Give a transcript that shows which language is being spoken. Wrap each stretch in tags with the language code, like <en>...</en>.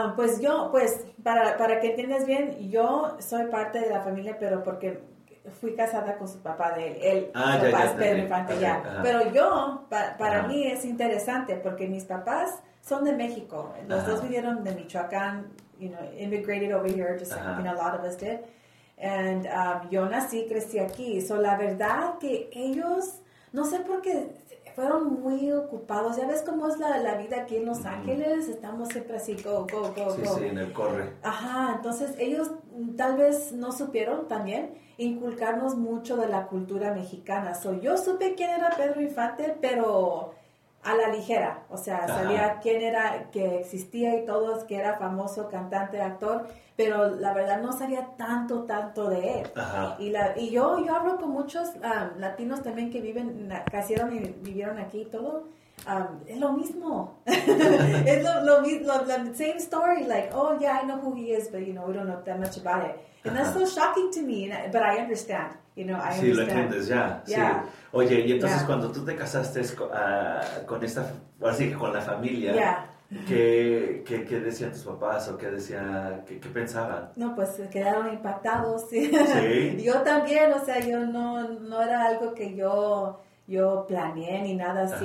<es>Pues yo, pues, para que entiendas bien, yo soy parte de la familia, pero porque fui casada con su papá de él. Pedro Infante, okay, ya. Ajá. Pero yo, para mí es interesante, porque mis papás son de México. Los dos vinieron de</es> <en>Michoacán, you know, immigrated over here, just like, you know, a lot of us did.</en> <es>And yo nací, crecí aquí. So, la verdad que ellos, no sé por qué, fueron muy ocupados. Ya ves cómo es la vida aquí en Los Ángeles. Estamos siempre así, go. Sí, en el corre. Ajá, entonces ellos tal vez no supieron también inculcarnos mucho de la cultura mexicana. So, yo supe quién era Pedro Infante, pero a la ligera. O sea, sabía quién era, que existía y todos, que era famoso cantante, actor. Pero la verdad no sabía tanto de él. Ajá. Y yo hablo con muchos latinos también que viven, nacieron y vivieron aquí y todo. Es lo mismo. Es lo</es> <en>same story. Like, oh, yeah, I know who he is, but, you know, we don't know that much about it. And that's so shocking to me, but I understand. You know, I understand.</en> <es>Sí, lo entiendes, ya.</es> <en>Yeah.</en> <es>Oye, y entonces cuando tú te casaste con esta, así que con la familia.</es> <en>Yeah.</en> <es>¿Qué decían tus papás o qué pensaban? No, pues quedaron impactados. Sí. ¿Sí? Yo también, o sea, yo no era algo que yo planeé ni nada así.</es>